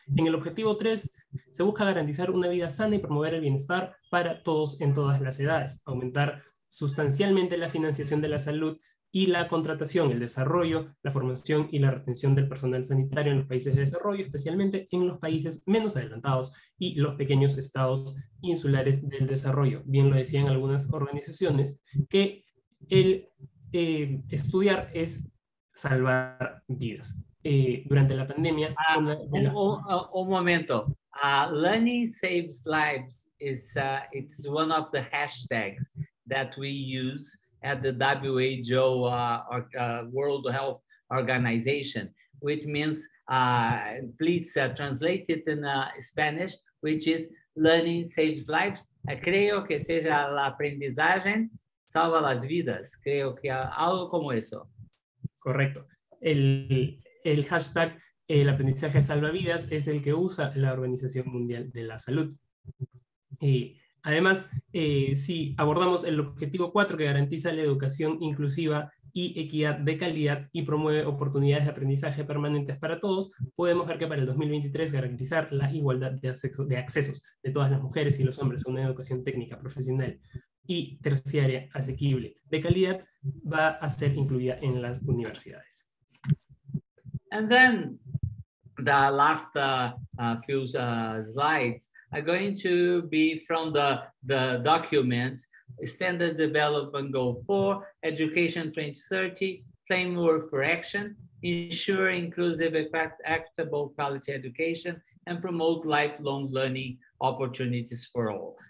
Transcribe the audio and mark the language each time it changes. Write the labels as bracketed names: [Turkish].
[Spanish] En el objetivo 3 se busca garantizar una vida sana y promover el bienestar para todos en todas las edades, aumentar sustancialmente la financiación de la salud y la contratación, el desarrollo, la formación y la retención del personal sanitario en los países de desarrollo, especialmente en los países menos adelantados y los pequeños estados insulares del desarrollo. Bien lo decían algunas organizaciones, que el estudiar es salvar vidas. Durante la pandemia... Un momento. [English] Learning saves lives is one of the hashtags that we use at the WHO World Health Organization, which means, please translate it in Spanish, which is learning saves lives. [Spanish] Creo que sea la aprendizaje salva las vidas. Creo que algo como eso. Correcto. El hashtag el aprendizaje salva vidas es el que usa la Organización Mundial de la Salud. Además, si abordamos el objetivo 4 que garantiza la educación inclusiva y equidad de calidad y promueve oportunidades de aprendizaje permanentes para todos, podemos ver que para el 2023 garantizar la igualdad de accesos de todas las mujeres y los hombres a una educación técnica, profesional y terciaria asequible de calidad va a ser incluida en las universidades. [English] And then the last slides are going to be from the document, Standard Development Goal 4, Education 2030, Framework for Action, Ensure Inclusive, Equitable Quality Education, and Promote Lifelong Learning Opportunities for All.